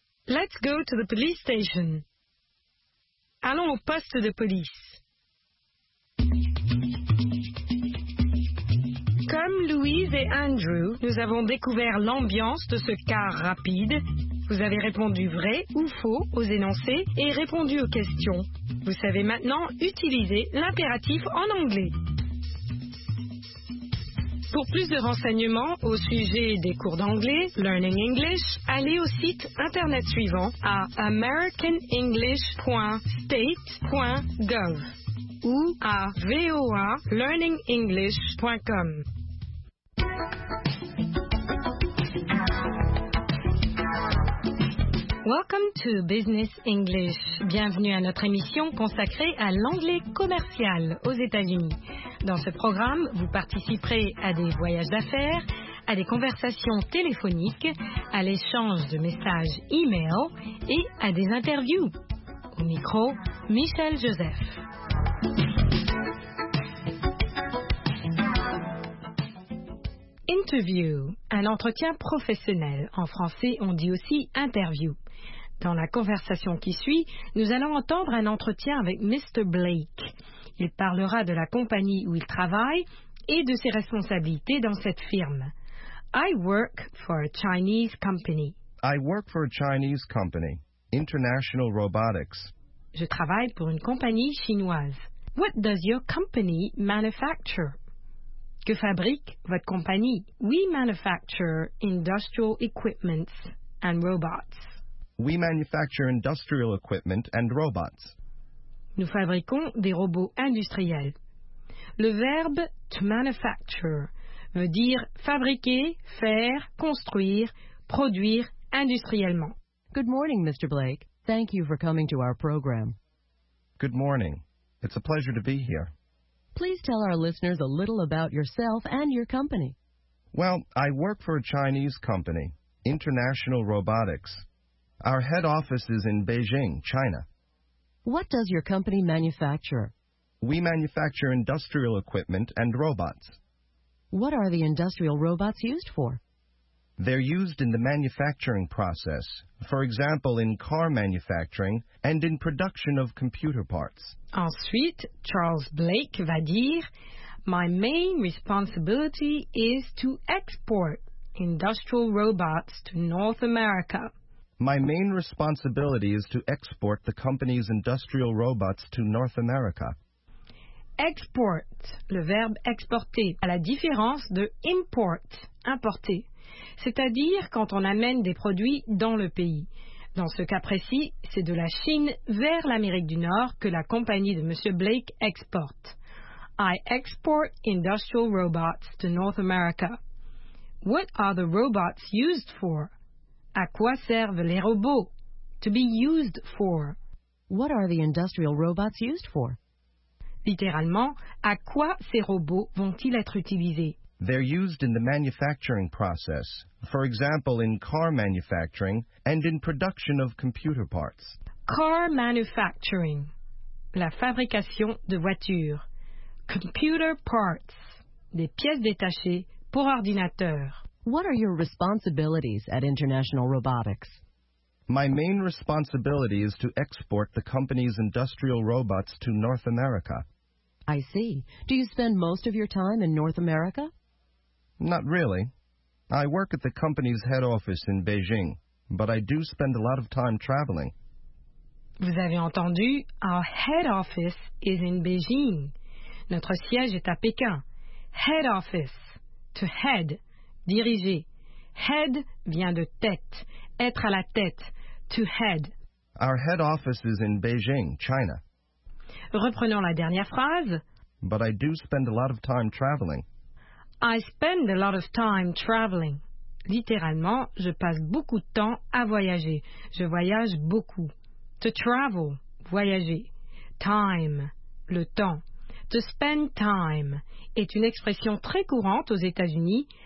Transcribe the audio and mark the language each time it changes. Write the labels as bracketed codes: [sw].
[en] Let's go to the police station. [fr] Allons au poste de police. Comme Louise et Andrew, nous avons découvert l'ambiance de ce car rapide. Vous avez répondu vrai ou faux aux énoncés et répondu aux questions. Vous savez maintenant utiliser l'impératif en anglais. Pour plus de renseignements au sujet des cours d'anglais, Learning English, allez au site internet suivant à americanenglish.state.gov ou à voalearningenglish.com. [en] Welcome to Business English. [fr] Bienvenue à notre émission consacrée à l'anglais commercial aux États-Unis. Dans ce programme, vous participerez à des voyages d'affaires, à des conversations téléphoniques, à l'échange de messages e-mail et à des interviews. Au micro, Michel Joseph. Interview, un entretien professionnel. En français, on dit aussi interview. Dans la conversation qui suit, nous allons entendre un entretien avec Mr. Blake. Il parlera de la compagnie où il travaille et de ses responsabilités dans cette firme. [en] I work for a Chinese company. I work for a Chinese company, International Robotics. [fr] Je travaille pour une compagnie chinoise. [en] What does your company manufacture? [fr] Que fabrique votre compagnie? [en] We manufacture industrial equipment and robots. We manufacture industrial equipment and robots. [fr] Nous fabriquons des robots industriels. Le verbe to manufacture veut dire fabriquer, faire, construire, produire industriellement. [en] Good morning, Mr. Blake. Thank you for coming to our program. Good morning. It's a pleasure to be here. Please tell our listeners a little about yourself and your company. Well, I work for a Chinese company, International Robotics. Our head office is in Beijing, China. What does your company manufacture? We manufacture industrial equipment and robots. What are the industrial robots used for? They're used in the manufacturing process, for example, in car manufacturing and in production of computer parts. [fr] Ensuite, Charles Blake va dire, [en] My main responsibility is to export industrial robots to North America. My main responsibility is to export the company's industrial robots to North America. [fr] Export, le verbe exporter, à la différence de import, importer, c'est-à-dire quand on amène des produits dans le pays. Dans ce cas précis, c'est de la Chine vers l'Amérique du Nord que la compagnie de M. Blake exporte. [en] I export industrial robots to North America. What are the robots used for? [fr] À quoi servent les robots? [en] To be used for. What are the industrial robots used for? [fr] Littéralement, à quoi ces robots vont-ils être utilisés? [en] They're used in the manufacturing process. For example, in car manufacturing and in production of computer parts. Car manufacturing. [fr] La fabrication de voitures. [en] Computer parts. [fr] Des pièces détachées pour ordinateur. [en] What are your responsibilities at International Robotics? My main responsibility is to export the company's industrial robots to North America. I see. Do you spend most of your time in North America? Not really. I work at the company's head office in Beijing, but I do spend a lot of time traveling. [fr] Vous avez entendu, [en] our head office is in Beijing. [fr] Notre siège est à Pékin. [en] Head office, to head, [fr] diriger. Head vient de tête, être à la tête, to head. [en] Our head office is in Beijing, China. [fr] Reprenons la dernière phrase. [en] But I do spend a lot of time traveling. I spend a lot of time traveling. [fr] Littéralement, je passe beaucoup de temps à voyager. Je voyage beaucoup. To travel, voyager. Time, le temps. To spend time est une expression très courante aux États-Unis.